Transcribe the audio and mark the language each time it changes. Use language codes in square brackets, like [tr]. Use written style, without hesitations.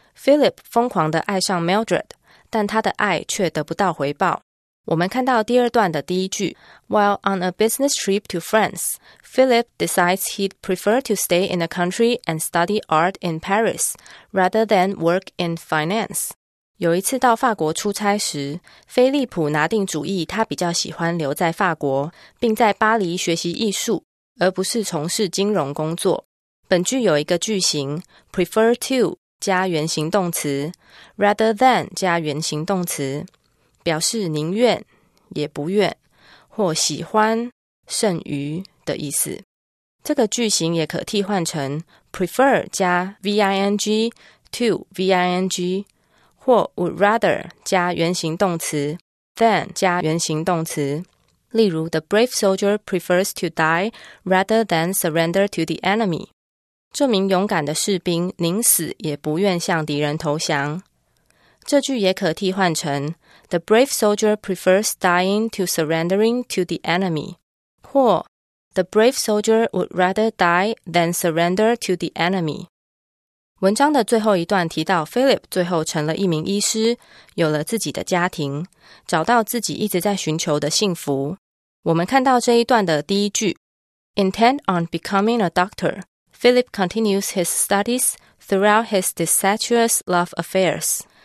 [zh] Philip 疯狂地爱上 Mildred， 但他的爱却得不到回报。我们看到第二段的第一句 [en] While on a business trip to France, Philip decides he'd prefer to stay in the country and study art in Paris rather than work in finance. [zh] 有一次到法国出差时，菲利普拿定主意他比较喜欢留在法国，并在巴黎学习艺术，而不是从事金融工作。本句有一个句型 prefer to 加原形动词 rather than 加原形动词，表示宁愿也不愿或喜欢胜于的意思。这个句型也可替换成 prefer 加 ving to ving或 would rather 加原形动词 than 加原形动词，例如 [en] The brave soldier prefers to die rather than surrender to the enemy. [zh] 这名勇敢的士兵宁死也不愿向敌人投降。这句也可替换成 [en] The brave soldier prefers dying to surrendering to the enemy. 或 The brave soldier would rather die than surrender to the enemy. [zh] 文章的最后一段提到 Philip 最后成了一名医师，有了自己的家庭，找到自己一直在寻求的幸福。我们看到这一段的第一句 [en] Intent on becoming a doctor, Philip continues his studies throughout his disastrous love affairs.